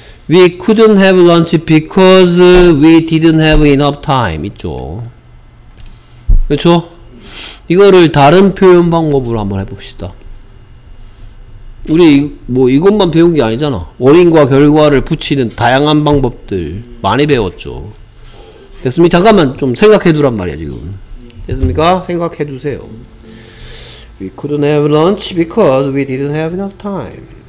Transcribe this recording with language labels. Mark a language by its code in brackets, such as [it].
[en] We couldn't have lunch because we didn't have enough time. [ko] 있죠? 그렇죠? 이거를 다른 표현 방법으로 한번 해봅시다. 우리 뭐 이것만 배운 게 아니잖아. 원인과 결과를 붙이는 다양한 방법들 많이 배웠죠. 됐습니까? 잠깐만 좀 생각해 두란 말이야 지금. 됐습니까? 생각해 두세요. [en] We couldn't have lunch because we didn't have enough time.